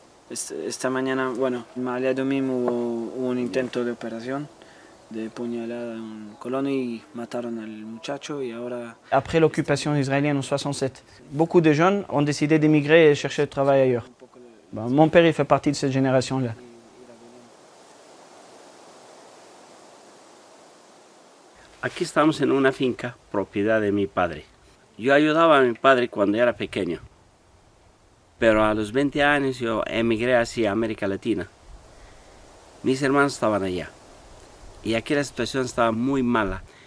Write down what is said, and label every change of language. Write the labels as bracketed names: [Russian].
[Spanish] Esta mañana, bueno, me alía domingo hubo un intento de operación de puñalada en un colon y mataron al muchacho y ahora... [French] Après l'occupation israélienne en 67, beaucoup de jeunes ont décidé d'émigrer et chercher du travail ailleurs. Bon, mon père, il fait partie de cette génération-là. [Spanish] Aquí estamos en una finca, propiedad de mi padre. Yo ayudaba a mi padre cuando era pequeño. Pero a los 20 años yo emigré hacia América Latina. Mis hermanos estaban allá. Y aquí la situación estaba muy mala.